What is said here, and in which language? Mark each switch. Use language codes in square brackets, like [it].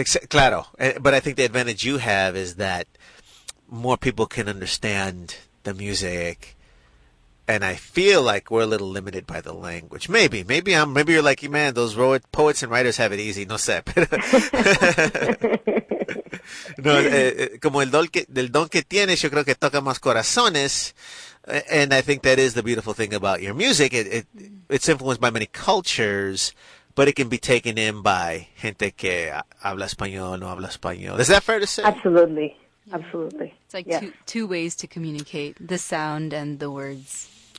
[en] Claro, but I think the advantage you have is that more people can understand the music, and I feel like we're a little limited by the language. Maybe you're like, man, those poets and writers have it easy. [es] No sé. No, como el don que tienes, yo creo que toca más corazones. [en] And I think that is the beautiful thing about your music. It's influenced by many cultures, but it can be taken in by [es] gente que habla español [en] o no habla español. Is that fair to say? Absolutely. Absolutely. It's like two ways to communicate, the sound and the words.